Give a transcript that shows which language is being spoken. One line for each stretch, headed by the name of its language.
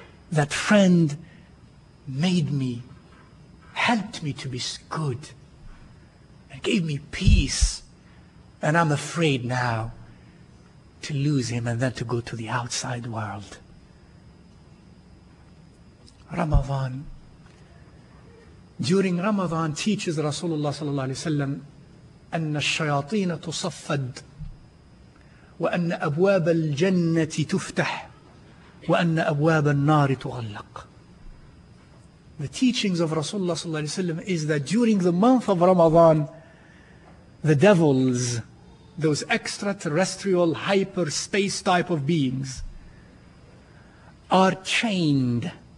English: That friend made me, helped me to be good, and gave me peace. And I'm afraid now to lose him and then to go to the outside world. Ramadan. During Ramadan teaches
Arabic: Rasulullah sallallahu alaihi wasallam, أن الشياطين تصفد وأن أبواب الجنة تفتح وأن أبواب النار تغلق.
English: The teachings of Rasulullah sallallahu alaihi wasallam is that during the month of Ramadan, the devils, those extraterrestrial hyperspace type of beings, are chained.